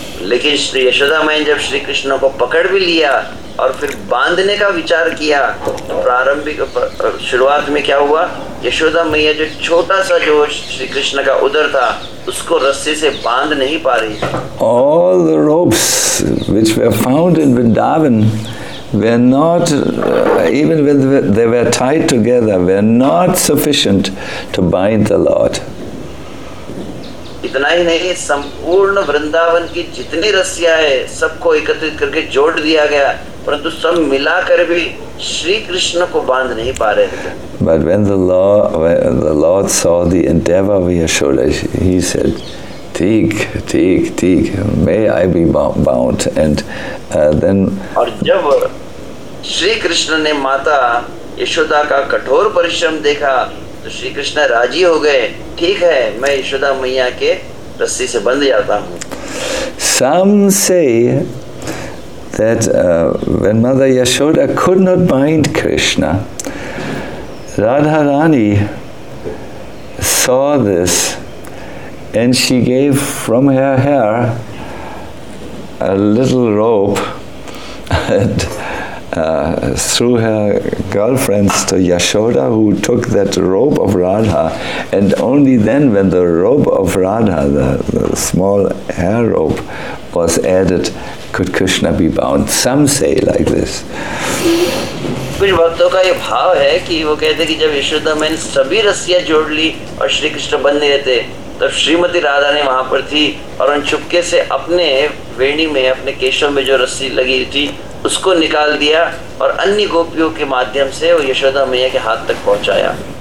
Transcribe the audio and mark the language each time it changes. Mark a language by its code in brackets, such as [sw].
[hi] लेकिन श्री यशोदा मैं जब श्री कृष्ण को पकड़ भी लिया और फिर बांधने का विचार किया, तो प्रारंभिक शुरुआत में क्या हुआ, यशोदा मैया जो छोटा सा जो श्री कृष्ण का उदर था उसको रस्सी से बांध नहीं पा रही। [en] All the ropes which were found in Vrindavan were not, even when they were tied together, were not sufficient to bind the Lord. [hi] इतना ही नहीं, संपूर्ण वृंदावन की जितनी रस्सियां है सबको एकत्रित करके जोड़ दिया गया, परंतु सब मिलाकर भी श्री कृष्ण को बांध नहीं पा रहे थे। [en] But when the Lord saw the endeavor of Yashoda, he said, "Theek, may I be bound?" And then. [hi] और जब श्री कृष्ण ने माता यशोदा का कठोर परिश्रम देखा, तो श्री कृष्ण राजी हो गए, ठीक है, मैं यशोदा मैया के रस्सी से बंध जाता हूँ। [en] Some say that when Mother Yashoda could not bind Krishna, Radharani saw this and she gave from her hair a little rope and threw her girlfriends to Yashoda, who took that robe of Radha, and only then when the robe of Radha, the small hair rope, was added, could Krishna be bound? Some say like this. [hi] कुछ भक्तों का ये भाव है कि वो कहते हैं कि जब यशोदा मैंने सभी रस्सियां जोड़ ली और श्री कृष्ण बंधे रहे थे, तब श्रीमती राधा ने वहां पर थी और उन चुपके से अपने वेणी में, अपने केशों में जो रस्सी लगी थी उसको निकाल दिया और अन्य गोपियों के माध्यम से वो यशोदा मैया के हाथ तक पहुंचाया।